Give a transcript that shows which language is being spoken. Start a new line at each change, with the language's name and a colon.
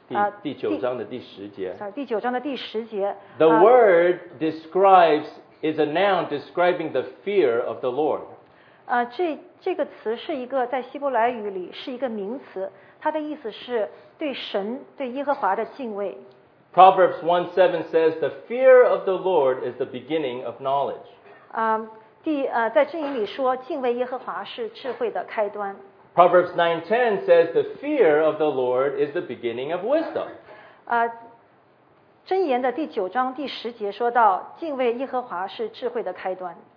Chinese: 这个Yirah这个词就是希伯来文的原文是敬畏的意思,是在箴言的第一章第七节和第一章的第九节。第九章的第十节。
English: The word describes, is a noun describing the fear of the Lord.
Chinese: 这个词是一个在希伯来语里是一个名词,它的意思是对神,对耶和华的敬畏。
English: Proverbs 1:7 says, "The fear of the Lord is the beginning of knowledge."
Chinese: 在箴言里说, 敬畏耶和华是智慧的开端。
English: Proverbs 9:10 says, "The fear of the Lord is the beginning of wisdom."
Chinese: 箴言的第九章第十节说到, 敬畏耶和华是智慧的开端。